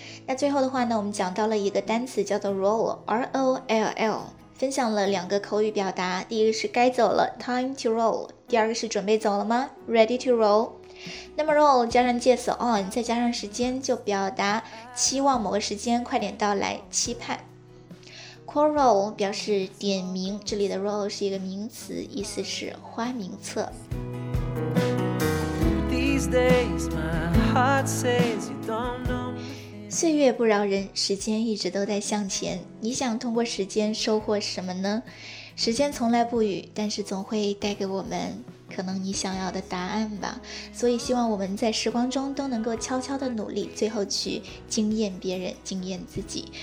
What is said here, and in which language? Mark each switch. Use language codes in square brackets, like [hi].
[zh] 那最后的话呢，我们讲到了一个单词叫做 roll， R-O-L-L，分享了两个口语表达，第一个是该走了 [en] time to roll， [zh] 第二个是准备走了吗 [en] ready to roll。 [zh] 那么 roll 加上介词 on 再加上时间，就表达期望某个时间快点到来，期盼。 call roll 表示点名，这里的 roll 是一个名词，意思是花名册。 [en] These days my heart says you don't know。 [zh] 岁月不饶人，时间一直都在向前，你想通过时间收获什么呢？时间从来不语，但是总会带给我们可能你想要的答案吧。所以希望我们在时光中都能够悄悄的努力，最后去惊艳别人，惊艳自己。